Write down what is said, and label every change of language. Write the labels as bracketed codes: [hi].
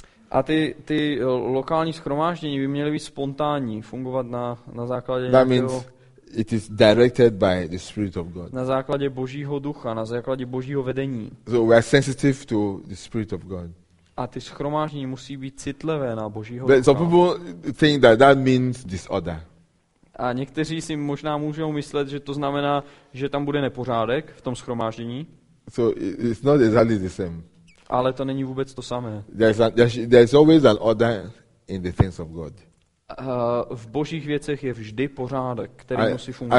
[cs] A ty lokální shromáždění by měly být spontánní, fungovat na základě [en] that [cs] nějakého. [en] It is directed by the Spirit of God. [cs] Na základě Božího ducha, na základě Božího vedení. [en] So we are sensitive to the Spirit of God. [cs] A ty shromáždění musí být citlivé na Božího [en] but [cs] ducha. [en] Some people think that means disorder. [cs] A někteří si možná můžou myslet, že to znamená, že tam bude nepořádek v tom shromáždění. [en] So it's not exactly the same. [cs] Ale to není vůbec to samé. [en] There's always an order in the things of God. [cs] V Božích věcech je vždy pořádek, který musí fungovat.